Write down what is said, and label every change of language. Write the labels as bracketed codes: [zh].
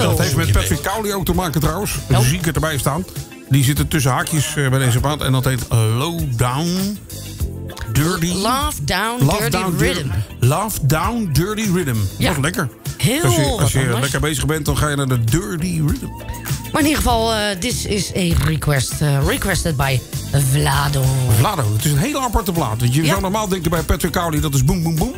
[nl] Dat heeft met Patrick Cowley ook te maken, trouwens. Help. Zie ik het erbij staan. Die zitten tussen haakjes bij deze plaat. En dat heet Low Down Dirty... Love Down Dirty Rhythm. Love Down Dirty Rhythm. Ja. Dat is lekker. Heel lekker. Als je lekker bezig bent, dan ga je naar de Dirty Rhythm. Maar in ieder geval, [en] this is a request. Requested by Vlado. [nl] Vlado, het is een hele aparte plaat. Je zou normaal denken bij Patrick Cowley, dat is boom, boom, boom.